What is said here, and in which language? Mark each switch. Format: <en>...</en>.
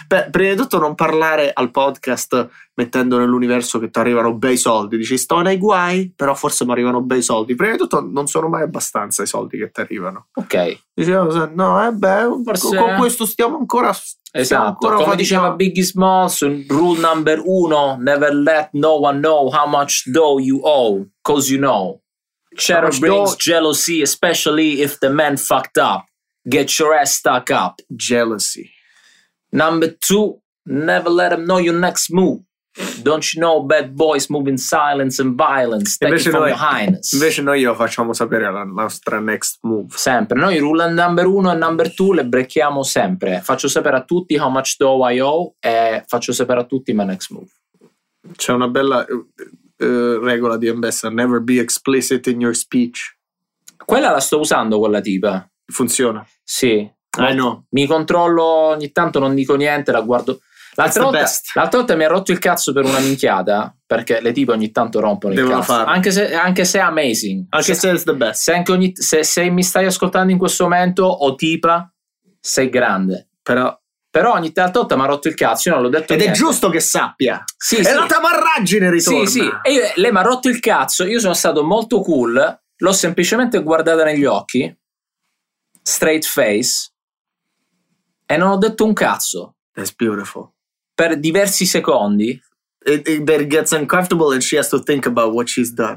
<it>Prima di tutto non parlare al podcast mettendo nell'universo che ti arrivano bei soldi, dici sto nei guai, però forse mi arrivano bei soldi. Prima di tutto non sono mai abbastanza i soldi che ti arrivano. Ok. Dicevo, no, forse... con questo stiamo ancora... Esatto, stiamo ancora come diceva</it> <en>Biggie Smalls, rule number uno, never let no one know how much dough you owe, cause you know. Shadow brings jealousy, especially if the man fucked up. Get your ass stuck up. Jealousy. Number two, never let them know your next move. Don't you know bad boys move in silence and violence.</en> <it>Invece</it> <en>from your highness.</en> <it>Invece noi glielo facciamo sapere la nostra</it> <en>next move.</en> <it>Sempre. Noi</it> <en>rule number</en> <it>uno e</it> <en>number two</en> <it>le brecchiamo sempre. Faccio sapere a tutti</it> <en>how much dough I owe</en> <it>e faccio sapere a tutti</it> <en>my next move.</en> <it>C'è una bella regola di Ambessa.</it> <en>Never be explicit in your speech.</en> <it>Quella la sto usando, quella tipa. Funziona. Sì.</it> <en>I know.</en> <it>Mi controllo ogni tanto, non dico niente, la guardo. L'altra volta mi ha rotto il cazzo per una minchiata, perché le tipe ogni tanto rompono il cazzo. Anche se è amazing. Anche se è</it> <en>the best.</en> <it>Se mi stai ascoltando in questo momento, o tipa, sei grande. Però ogni tanto mi ha rotto il cazzo, io non l'ho detto ed niente. È giusto che sappia. Sì, è sì. La tamarraggine ritorna. Sì, sì. E lei mi ha rotto il cazzo, io sono stato molto cool, l'ho semplicemente guardata negli occhi,</it> <en>straight face,</en> <it>e non ho detto un cazzo.</it> <en>That's beautiful.</en> <it>Per diversi secondi.</it> <en>That gets uncomfortable and she has to think about what she's done.</en>